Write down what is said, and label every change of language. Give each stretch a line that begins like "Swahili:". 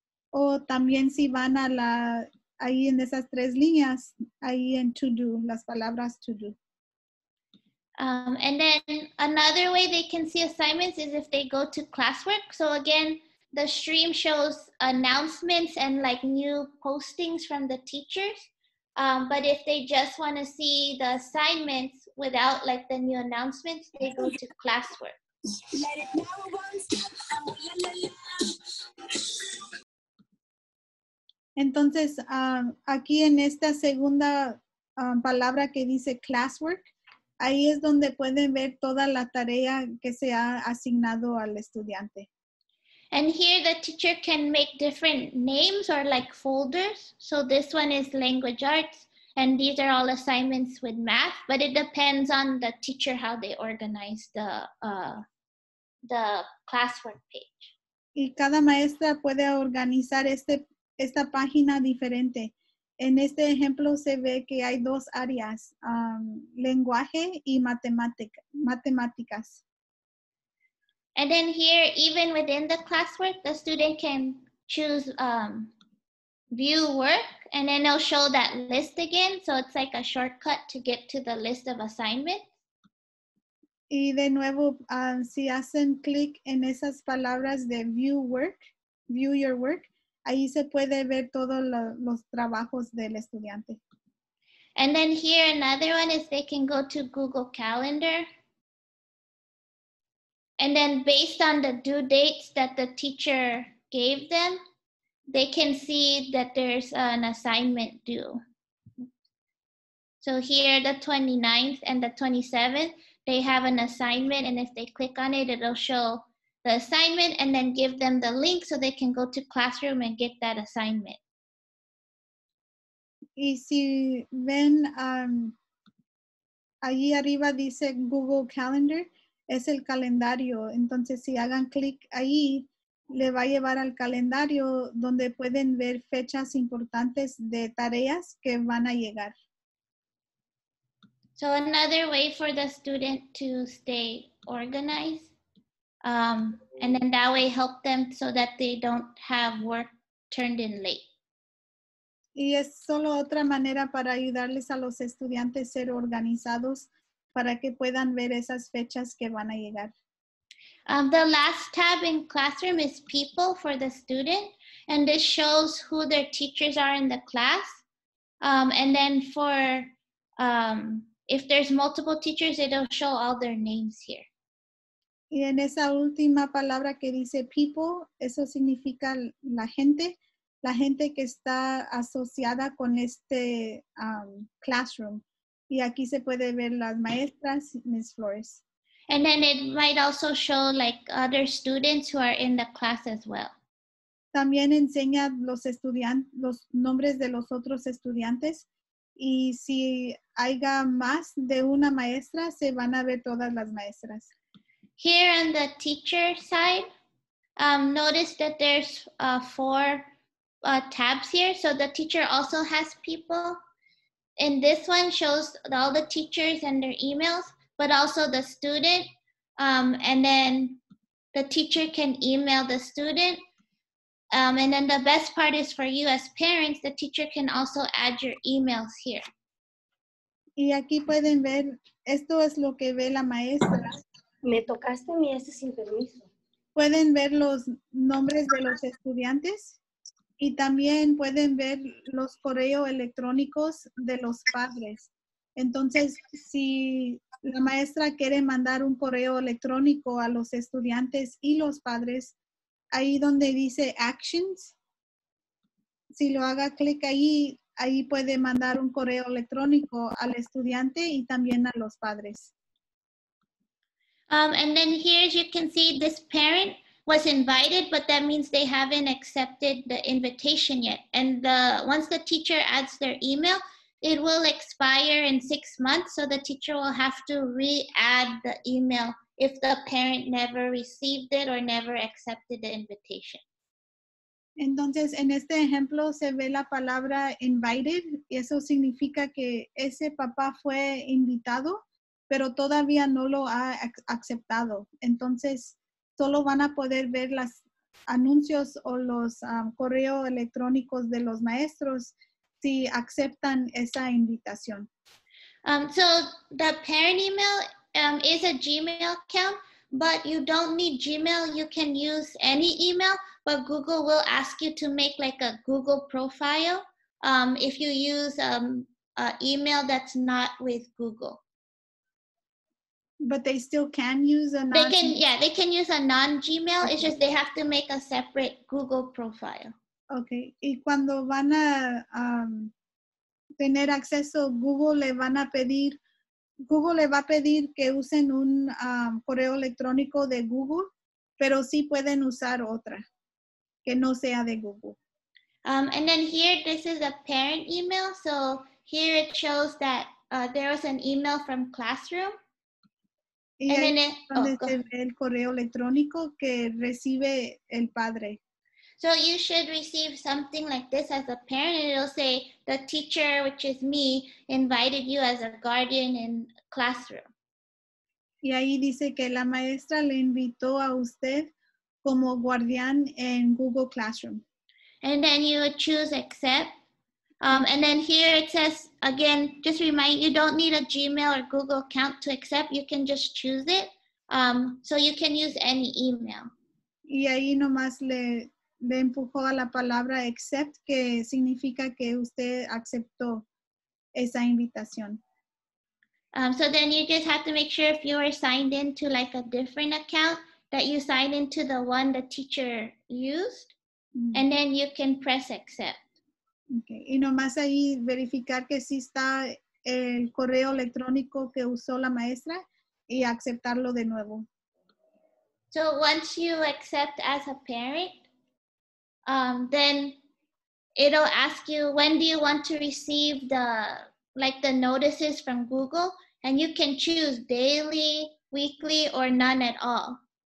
Spanish: O también si van a la, ahí en esas tres líneas, ahí en To Do, las palabras To Do.
English: And then another way they can see assignments is if they go to classwork. So again, the stream shows announcements and like new postings from the teachers. But if they just want to see the assignments without like the new announcements, they go to classwork.
Spanish: Entonces, aquí en esta segunda palabra que dice classwork, ahí es donde pueden ver toda la tarea que se ha asignado al estudiante.
English: And here the teacher can make different names or like folders. So this one is language arts and these are all assignments with math, but it depends on the teacher how they organize the classwork page.
Spanish: Y cada maestra puede organizar esta página diferente. En este ejemplo se ve que hay dos áreas, lenguaje y matemáticas.
English: And then here, even within the classwork, the student can choose view work, and then it'll show that list again. So it's like a shortcut to get to the list of assignments.
Spanish: Y de nuevo, si hacen clic en esas palabras de view work, view your work, ahí se puede ver todos los trabajos del estudiante.
English: And then here another one is they can go to Google Calendar. And then based on the due dates that the teacher gave them, they can see that there's an assignment due. So here the 29th and the 27th, they have an assignment and if they click on it, it'll show the assignment and then give them the link so they can go to classroom and get that assignment.
Spanish: Y si ven ahí arriba dice Google Calendar, es el calendario. Entonces si hagan clic ahí, le va a llevar al calendario donde pueden ver fechas importantes de tareas que van a llegar.
English: So another way for the student to stay organized. And then that way help them so that they don't have work turned in late.
Spanish: Y es solo otra manera para ayudarles a los estudiantes ser organizados para que puedan ver esas fechas que van a llegar.
English: The last tab in classroom is people for the student, and this shows who their teachers are in the class. And then for if there's multiple teachers, it'll show all their names here.
Spanish: Y en esa última palabra que dice people, eso significa la gente que está asociada con este classroom. Y aquí se puede ver las maestras, Ms. Flores.
English: And then it might also show like other students who are in the class as well.
Spanish: También enseña los nombres de los otros estudiantes. Y si haya más de una maestra, se van a ver todas las maestras.
English: Here on the teacher side, notice that there's four tabs here. So the teacher also has people. And this one shows all the teachers and their emails, but also the student. And then the teacher can email the student. And then the best part is for you as parents, the teacher can also add your emails here.
Spanish: Y aquí pueden ver, esto es lo que ve la maestra. Me tocaste mi ese sin permiso. pueden ver los nombres de los estudiantes y también pueden ver los correos electrónicos de los padres. Entonces, si la maestra quiere mandar un correo electrónico a los estudiantes y los padres, ahí donde dice Actions, si lo haga clic ahí, ahí puede mandar un correo electrónico al estudiante y también a los padres.
English: And then here you can see this parent was invited, but that means they haven't accepted the invitation yet. And the once the teacher adds their email, it will expire in 6 months, so the teacher will have to re-add the email if the parent never received it or never accepted the invitation.
Spanish: Entonces, en este ejemplo se ve la palabra invited, y eso significa que ese papá fue invitado, pero todavía no lo ha aceptado. Entonces, solo van a poder ver los anuncios o los correos electrónicos de los maestros si aceptan esa invitación.
English: So the parent email is a Gmail account, but you don't need Gmail. You can use any email, but Google will ask you to make like a Google profile if you use an email that's not with Google. But they still can use a non-Gmail. They can use a non-Gmail. Okay. It's just they have to make a separate Google profile.
Spanish: Okay, y cuando van a tener acceso, Google le va a pedir que usen un correo electrónico de Google, pero sí pueden usar otra, que no sea de Google.
English: And then here, this is a parent email. So here it shows that there was an email from Classroom.
Spanish: Y
English: and then
Spanish: ve el correo electrónico que recibe el padre.
English: So you should receive something like this as a parent. It'll say, the teacher, which is me, invited you as a guardian in Classroom.
Spanish: Y ahí dice que la maestra le invitó a usted como guardián en Google Classroom.
English: And then you would choose accept. And then here it says, again, just remind you, don't need a Gmail or Google account to accept. You can just choose it. So you can use any email.
Spanish: Y ahí nomás le empujó a la palabra accept, que significa que usted aceptó esa invitación.
English: So then you just have to make sure if you are signed into like a different account that you sign into the one the teacher used, mm-hmm. and then you can press accept. Okay.
Spanish: Y nomás ahí verificar que sí está el correo electrónico que usó la maestra y aceptarlo de nuevo.
English: So once you accept as a parent, then it'll ask you, when do you want to receive the notices from Google? And you can choose daily, weekly, or none at all.